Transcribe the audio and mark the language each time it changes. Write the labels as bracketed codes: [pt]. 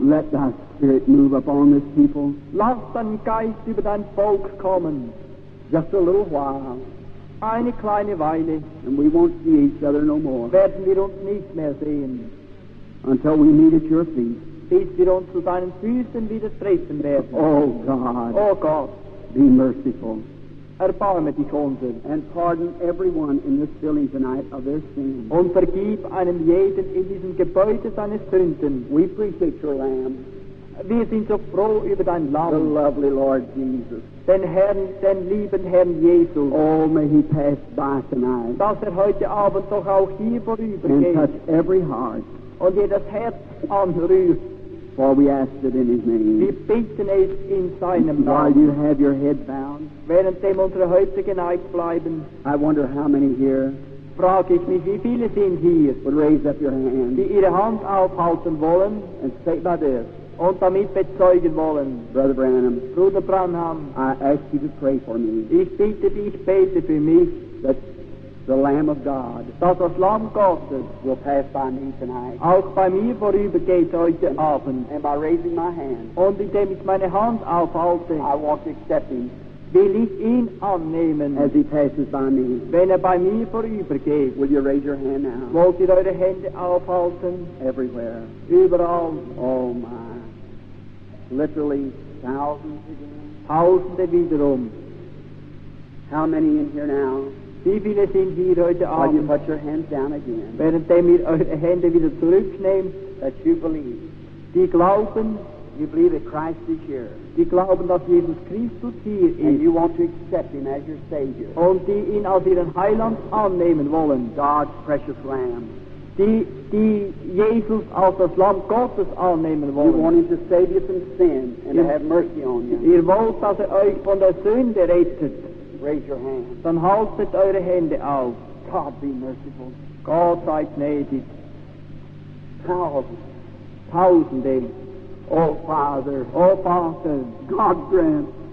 [en] Let thy spirit move upon this people. [de] Lass dein Geist über dein Volk kommen. [en] Just a little while. [de] Eine kleine Weile. [en] And we won't see each other no more. [de] Werden wir uns nicht mehr sehen. [en] Until we meet at your feet. [de] Bis wir uns zu deinen Füßen wieder treffen werden. [en] Oh God. [de] Oh Gott. [en] Be merciful. [de] Erbarme dich unser. [en] And pardon everyone in this building tonight of their sins. [de] Und vergib einem jeden in diesem Gebäude seine Sünden. [en] We appreciate your lamb. [de] Wir sind so froh über dein Lamm. [en] The lovely Lord Jesus. [de] Den Herrn, den lieben Herrn Jesus. [en] Oh, may he pass by tonight. [de] Dass er heute Abend doch auch hier vorübergeht. [en] And touch every heart. [de] Und jedes Herz anrührt. [en] For we ask it in his name. [de] Wir bitten es in seinem Namen. [en] While you have your head bound. [de] Währenddem unsere Häupter geneigt bleiben. [en] I wonder how many here. [de] Frag ich mich, wie viele sind hier. [en] Would raise up your hand. [de] Die ihre Hand aufhalten wollen. [en] And say by this. [de] Und damit bezeugen wollen. [en] Brother Branham. [de] Bruder Branham. [en] I ask you to pray for me. [de] Ich bitte dich, bete für mich. [en] That the Lamb of God. [de] Dass das Lamm Gottes [en] will pass by me tonight. [de] Auch bei mir vorübergeht heute Abend. [en] And by raising my hand. [de] Und indem ich meine Hand aufhalte. [en] I want to accept him. [de] Will ich ihn annehmen. [en] As he passes by me. [de] Wenn bei mir vorübergeht. [en] Will you raise your hand now? [de] Wollt ihr eure Hände aufhalten? [en] Everywhere. [de] Überall. [en] Oh my. Literally thousands again. [de] Tausende wiederum. [en] How many in here now? [de] Wie viele sind hier heute Abend? [en] While you put your hands down again. [de] Währenddem ihr eure Hände wieder zurücknehmt. [en] That you believe. [de] Die glauben. [en] You believe that Christ is here. [de] Die glauben, dass Jesus Christus hier ist. [en] And you want to accept him as your Savior. [de] Und die ihn als ihren Heiland annehmen wollen. [en] God's precious Lamb. [de] Die Jesus als das Lamm Gottes annehmen wollen. [en] You want him to save you from sin and to have mercy on you. [de] Ihr wollt, dass euch von der Sünde rettet. [en] Raise your hand. [de] Dann haltet eure Hände auf. [en] God be merciful. [de] Gott sei gnädig. Tausende. [en] Oh, Father. Oh, Father. God grant.